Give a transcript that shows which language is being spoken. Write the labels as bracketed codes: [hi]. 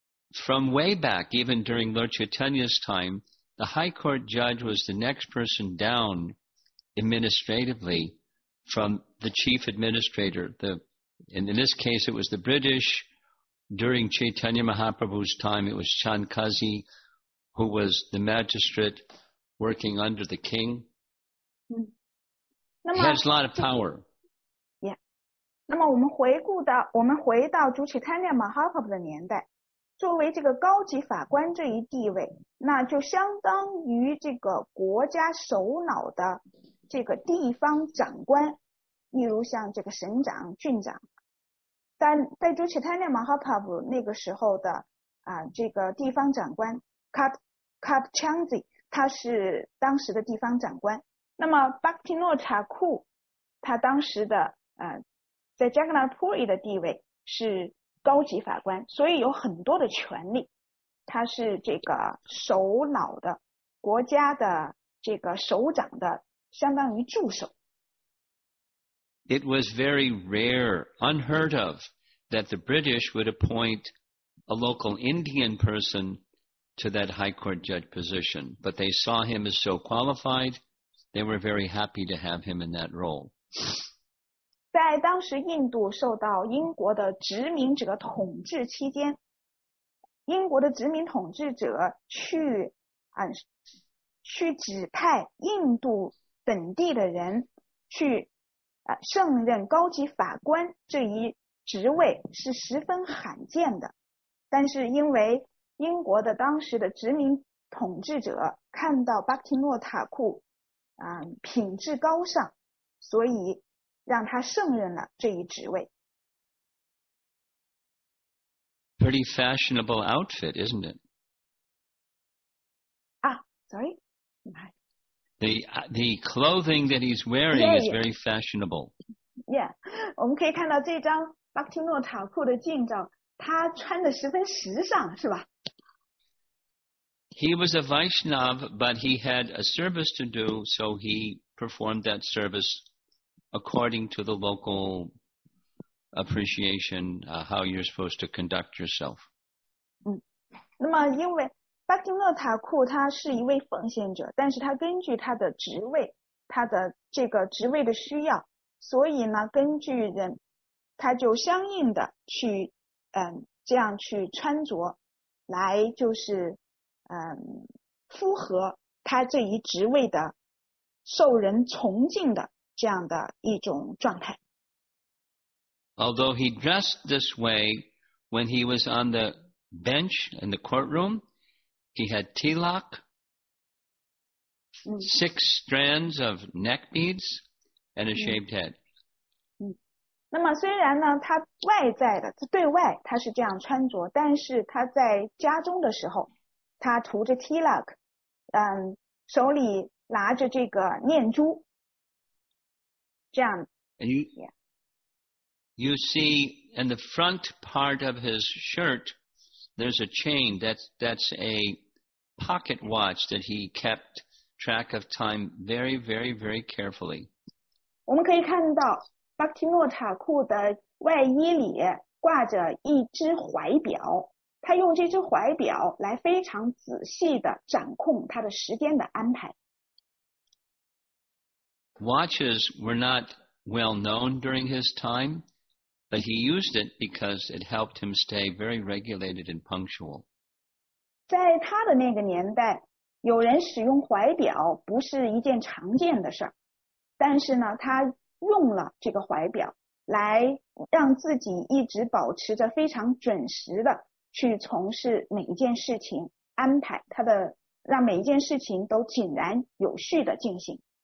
[en] From way back, even during Lord Chaitanya's time, the High Court judge was the next person down administratively from the chief administrator. And in this case, it was the British. During Chaitanya Mahaprabhu's time, it was Chankazi, who was the magistrate working under the king. He has a lot of power. Yeah. [zh] 那么我们回顾到，我们回到朱启坦尼亚马哈帕布的年代，作为这个高级法官这一地位，那就相当于这个国家首脑的这个地方长官，例如像这个省长、郡长。但在朱启坦尼亚马哈帕布那个时候的这个地方长官卡普枪子，他是当时的地方长官。那么巴克提诺查库，他当时的在加格纳普里的地位是高级法官，所以有很多的权力。他是这个首脑的国家的这个首长的相当于助手。 [en] It was very rare, unheard of, that the British would appoint a local Indian person to that high court judge position, but they saw him as so qualified, they were very happy to have him in that role. [zh] 在当时印度受到英国的殖民者统治期间，英国的殖民统治者去指派印度本地的人去胜任高级法官这一职位是十分罕见的。但是因为英国的当时的殖民统治者看到巴克提诺塔库品质高尚，所以让他胜任了这一职位。 [en] Pretty fashionable outfit, isn't it? The clothing that he's wearing is very fashionable. [zh] Yeah, 我们可以看到这张巴克提诺塔库的近照，他穿得十分时尚，是吧？ [en] He was a Vaishnav, but he had a service to do, so he performed that service according to the local appreciation, how you're supposed to conduct yourself. [zh] 那么因为巴克提诺塔库他是一位奉献者，但是他根据他的职位，他的这个职位的需要，所以呢，根据人，他就相应的去这样去穿着，来就是符合他这一职位的受人崇敬的这样的一种状态。 [en] Although he dressed this way when he was on the bench in the courtroom, he had tilak, six strands of neck beads, and a shaved head. [zh] 那么虽然呢，他外在的对外他是这样穿着，但是他在家中的时候，他涂着 tilak， 手里拿着这个念珠，这样。 [en] And you,、yeah. you see in the front part of his shirt, there's a chain. That's a pocket watch that he kept track of time very, very, very carefully. [zh] 我们可以看到巴克提诺塔库的外衣里挂着一只怀表，他用这只怀表来非常仔细地掌控他的时间的安排。 [en] Watches were not well known during his time, but he used it because it helped him stay very regulated and punctual. [zh] 在他的那个年代，有人使用怀表不是一件常见的事，但是呢，他用了这个怀表来让自己一直保持着非常准时的去从事每一件事情，安排他的让每一件事情都井然有序的进行。